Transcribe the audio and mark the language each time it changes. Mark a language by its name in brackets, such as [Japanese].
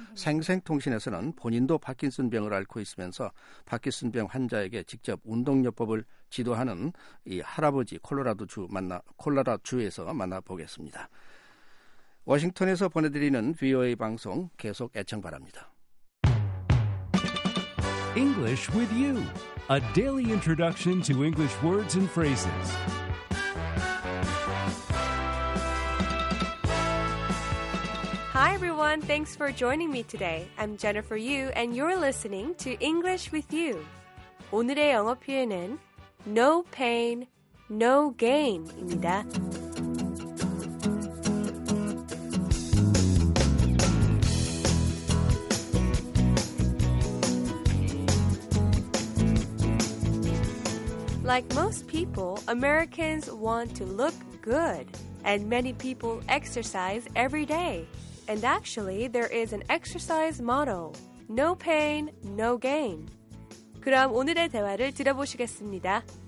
[Korean] 생생통신에서는 본인도 파킨슨병을 앓고 있으면서 파킨슨병 환자에게 직접 운동요법을 지도하는 이 할아버지 콜로라도주에서 만나보겠습니다. 워싱턴에서 보내드리는 VOA 방송 계속 애청 바랍니다. [English] English with you. A daily introduction to English words and phrases. [Korean] 여러분, [English] thanks for joining me today. I'm Jennifer Yu, and you're listening to English with You. [Korean] 오늘의 영어 표현은 [English] No pain, no gain [Korean] 입니다. [English] Like most people, Americans want to look good, and many people exercise every day. And actually, there is an exercise motto, no pain, no gain. [Korean] 그럼 오늘의 대화를 들어보시겠습니다.